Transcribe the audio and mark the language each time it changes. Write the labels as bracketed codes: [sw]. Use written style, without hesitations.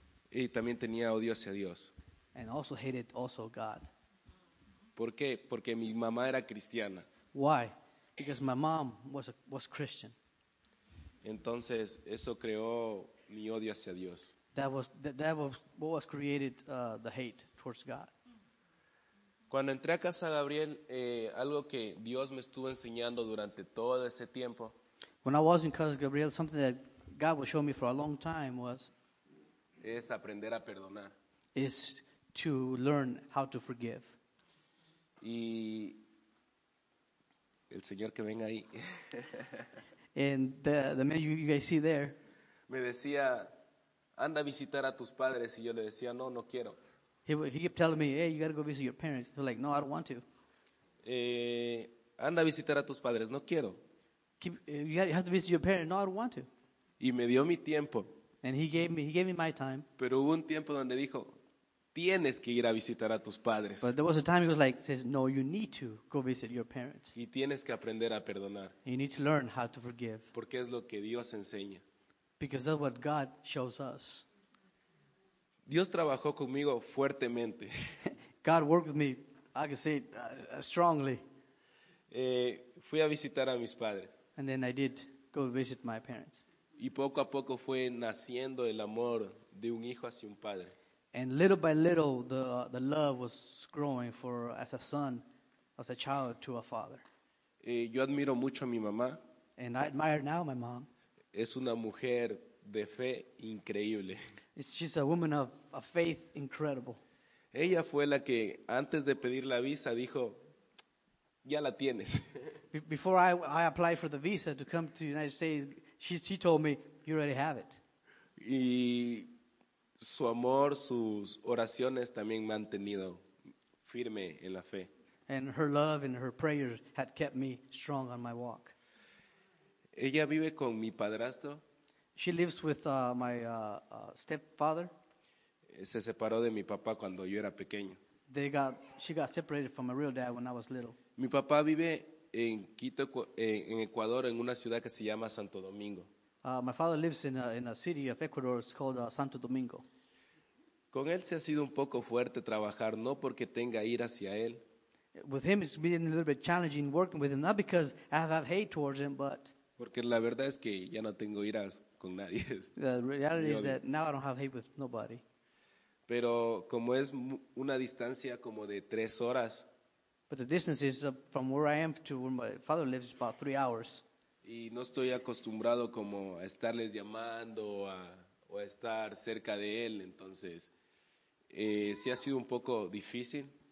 [es] Y también tenía odio hacia Dios. [en] And also hated also God. [es] ¿Por qué? Porque mi mamá era cristiana. [en] Why? Because my mom was Christian. [es] Entonces eso creó mi odio hacia Dios. [en] That was what created the hate towards God. [es] Cuando entré a casa Gabriel, algo que Dios me estuvo enseñando durante todo ese tiempo. [en] When I was in casa Gabriel, something that God was showing me for a long time was. [es] Es aprender a perdonar. [en] Is to learn how to forgive. [es] Y el señor que venga ahí. [en] And the man you guys see there. [es] Me decía, anda a visitar a tus padres, y yo le decía, no, no quiero. [en] He kept telling me, hey, you gotta go visit your parents. He's like, no, I don't want to. [es] Anda a visitar a tus padres, no quiero. [en] You have to visit your parents, no, I don't want to. [es] Y me dio mi tiempo. [en] And he gave me my time. [es] Pero hubo un tiempo donde dijo, tienes que ir a visitar a tus padres. [en] But there was a time he was like, says, no, you need to go visit your parents. [es] Y tienes que aprender a perdonar. [en] And you need to learn how to forgive. [es] Porque es lo que Dios enseña. [en] Because that's what God shows us. [es] Dios trabajó conmigo fuertemente. [en] God worked with me, I can say, strongly. [es] Fui a visitar a mis padres. [en] And then I did go visit my parents. [es] Y poco a poco fue naciendo el amor de un hijo hacia un padre. [en] And little by little, the love was growing for as a son, as a child to a father. [es] Yo admiro mucho a mi mamá. [en] And I admire now my mom. [es] Es una mujer de fe increíble. [en] She's a woman of a faith incredible. [es] Ella fue la que antes de pedir la visa dijo, ya la tienes. [en] Before I applied for the visa to come to the United States, she told me, you already have it. [es] Y Su amor, sus oraciones también me han tenido firme en la fe. [en] And her love and her prayers had kept me strong on my walk. [es] Ella vive con mi padrastro. [en] She lives with my stepfather. [es] Se separó de mi papá cuando yo era pequeño. [en] She got separated from my real dad when I was little. [es] Mi papá vive en Quito, en Ecuador, en una ciudad que se llama Santo Domingo. [en] My father lives in a city of Ecuador. It's called Santo Domingo. [es] Con él se ha sido un poco fuerte trabajar, no porque tenga ira hacia él. [en] With him, it's been a little bit challenging working with him, not because I have hate towards him, but [es] porque la verdad es que ya no tengo iras con nadie. [en] The reality is that now I don't have hate with nobody. [es] Pero como es una distancia como de 3 horas. [en] But the distance is from where I am to where my father lives is about 3 hours. [es] Y no estoy acostumbrado como a estarles llamando o a estar cerca de él, entonces sí ha sido un poco difícil.